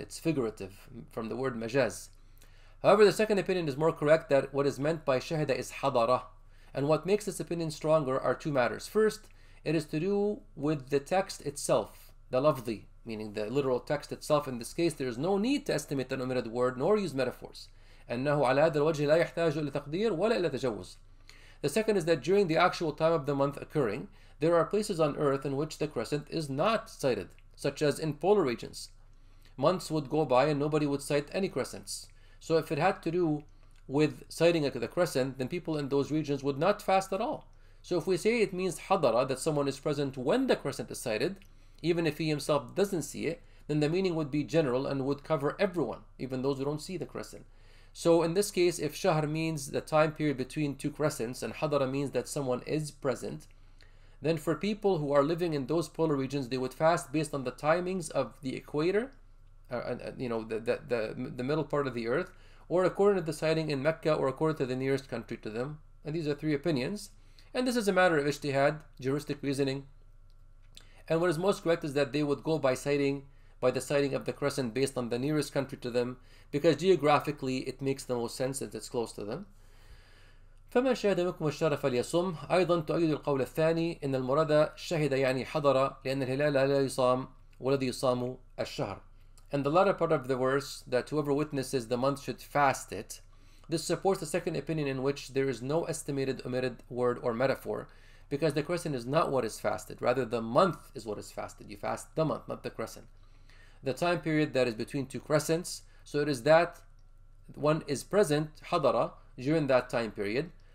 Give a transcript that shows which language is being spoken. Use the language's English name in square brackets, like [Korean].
[English] It's figurative, from the word majaz. However, the second opinion is more correct, that what is meant by shahada is hadara. And what makes this opinion stronger are two matters. First, it is to do with the text itself, the lafzi, meaning the literal text itself. In this case, there is no need to estimate the omitted word nor use metaphors. [Arabic] أنه على هذا الوجه لا يحتاج إلى تقدير ولا إلى تجوز. [English] The second is that during the actual time of the month occurring, there are places on earth in which the crescent is not sighted, such as in polar regions. Months would go by and nobody would sight any crescents. So if it had to do with sighting the crescent, then people in those regions would not fast at all. So if we say it means hadara, that someone is present when the crescent is sighted, even if he himself doesn't see it, then the meaning would be general and would cover everyone, even those who don't see the crescent. So in this case, if shahr means the time period between two crescents and hadara means that someone is present, then for people who are living in those polar regions, they would fast based on the timings of the equator, you know, the middle part of the earth, or according to the sighting in Mecca, or according to the nearest country to them. And these are three opinions. And this is a matter of ijtihad, juristic reasoning. And what is most correct is that they would go by the sighting of the crescent based on the nearest country to them, because geographically it makes the most sense that it's close to them. [Arabic] فَمَنْ شَهِدَ مِنْكُمُ الشَّهْرَ فَلْيَصُمْ. أيضاً تؤيد القول الثاني إن المراد شهد يعني حضر لأن الهلال لا يصام والذي يصام الشهر. [English] And the latter part of the verse, that whoever witnesses the month should fast it, this supports the second opinion, in which there is no estimated omitted word or metaphor, because the crescent is not what is fasted. Rather, the month is what is fasted. You fast the month, not the crescent. The time period that is between two crescents, so it is that one is present, hadara, during that time period.